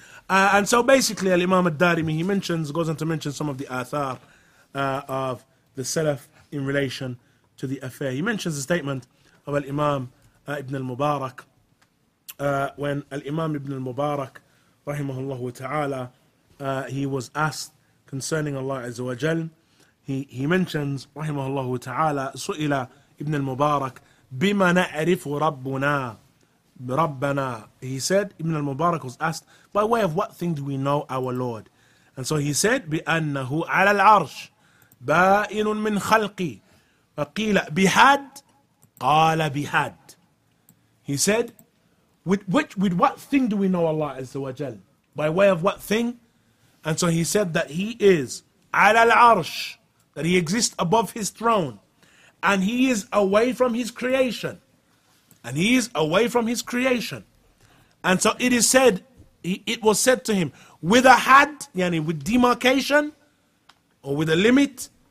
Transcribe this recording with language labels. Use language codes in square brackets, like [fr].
[en] And so basically, Al-Imam al-Darimi, he mentions, goes on to mention some of the athar of the Salaf in relation to the affair. He mentions the statement of Al-Imam ibn al-Mubarak, when Al-Imam ibn al-Mubarak, rahimahullahu ta'ala, he was asked concerning Allah Azza wa Jal. He mentions, [ar] رحمه تعالى, سئل ابن المبارك بما نعرف ربنا ربنا. [en] He said, ابن المبارك was asked, by way of what thing do we know our Lord? And so he said, [ar] بأنه على العرش بائن من خلقي فقيل بحد قال بحد. [en] He said, with what thing do we know Allah Azza wa Jal? By way of what thing? And so he said that he is [ar] على العرش, [en] that he exists above his throne, and he is away from his creation. And he is away from his creation. And so it is said, it was said to him, with a had, yani with demarcation, or with a limit.